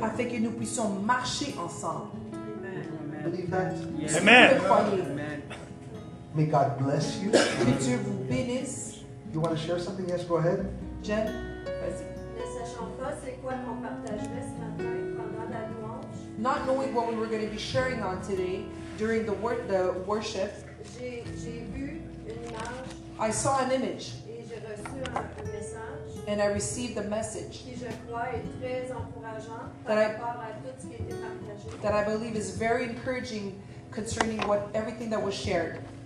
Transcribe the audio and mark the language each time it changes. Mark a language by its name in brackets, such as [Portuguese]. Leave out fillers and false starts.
[French] Afin que nous puissions marcher ensemble. [English] Amen. Believe that. Amen. Amen. May God bless you. [French] Que Dieu vous bénisse. [English] You want to share something? Yes, go ahead. [French] Jen, vas-y. Ne sachant pas c'est quoi qu'on partagerait ce matin pendant la louange. [English] Not knowing what we were going to be sharing on today during the worship. [French] J'ai vu une image. [English] I saw an image. [French] Et j'ai reçu un message. [English] And I received a message. [French] Qui je crois est très encourageant par rapport à tout ce qui a été partagé. [English] That I believe is very encouraging concerning what everything that was shared.